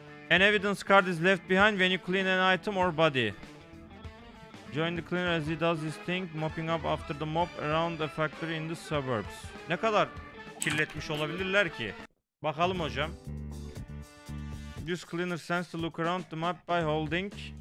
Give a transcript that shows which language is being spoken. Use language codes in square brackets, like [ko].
[en] An evidence card is left behind when you clean an item or body. Join the cleaner as he does his thing, mopping up after the mop around the factory in the suburbs. [tr] Ne kadar kirletmiş olabilirler ki? Bakalım hocam. [en] Use cleaner sense to look around the map by holding.